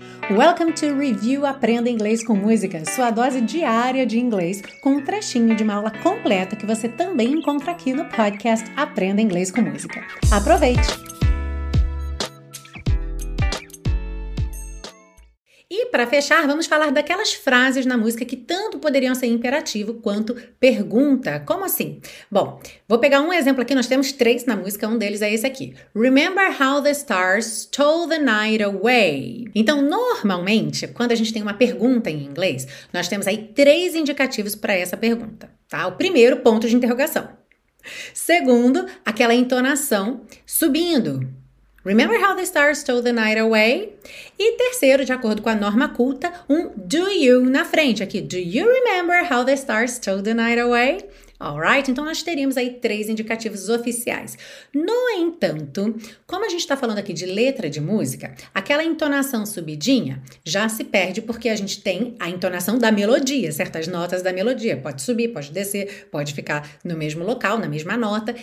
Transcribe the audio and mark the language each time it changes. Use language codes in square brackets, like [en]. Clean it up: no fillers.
[en] Welcome to [pt] Review Aprenda Inglês com Música, sua dose diária de inglês, com um trechinho de uma aula completa que você também encontra aqui no podcast Aprenda Inglês com Música. Aproveite! E para fechar, vamos falar daquelas frases na música que tanto poderiam ser imperativo quanto pergunta. Como assim? Bom, vou pegar um exemplo aqui, nós temos três na música, um deles é esse aqui. [en] Remember how the stars stole the night away. [pt] Então, normalmente, quando a gente tem uma pergunta em inglês, nós temos aí três indicativos para essa pergunta, tá? O primeiro, ponto de interrogação. Segundo, aquela entonação subindo. [en] Remember how the stars stole the night away? [pt] E terceiro, de acordo com a norma culta, um [en] do you [pt] na frente aqui. [en] Do you remember how the stars stole the night away? [pt] Alright, então nós teríamos aí três indicativos oficiais. No entanto, como a gente está falando aqui de letra de música, aquela entonação subidinha já se perde porque a gente tem a entonação da melodia, certas notas da melodia. Pode subir, pode descer, pode ficar no mesmo local, na mesma nota.